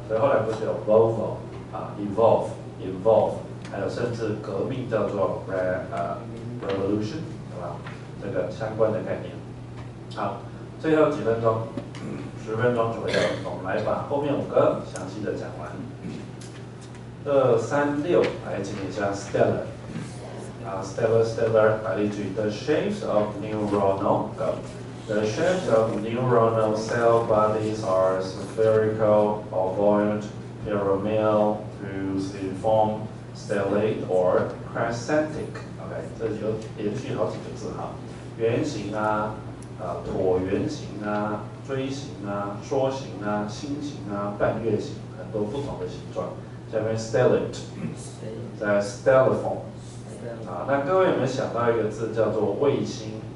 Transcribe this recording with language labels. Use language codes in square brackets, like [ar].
[zh] 所以后来不是有 volvo， evolve， 还有甚至革命叫做 revolution， 对吧？这个相关的概念。好，最后几分钟，十分钟左右，我们来把后面五个详细的讲完。 236，来请一下 stellar。 [en] Stellar, [zh] 白例句 [en] The shapes of neuronal go. The shapes of neuronal cell bodies are spherical, ovoid, pyramidal, fusiform, stellate, or crescentic. [zh] OK， 这就连续好几个字哈，圆形啊，椭圆形啊，锥形啊，梭形啊，星形啊，半月形，很多不同的形状。下面 stellate， 在 stelliform。那各位有没有想到一个字叫做卫星？